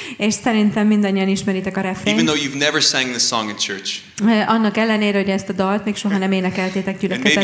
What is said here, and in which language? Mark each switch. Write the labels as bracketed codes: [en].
[hu] És szerintem mindannyian ismeritek a refrént. [en] Even though you've never sang this song in church. [hu] Annak ellenére, hogy ezt a dalt még soha nem énekeltétek gyülekezetben.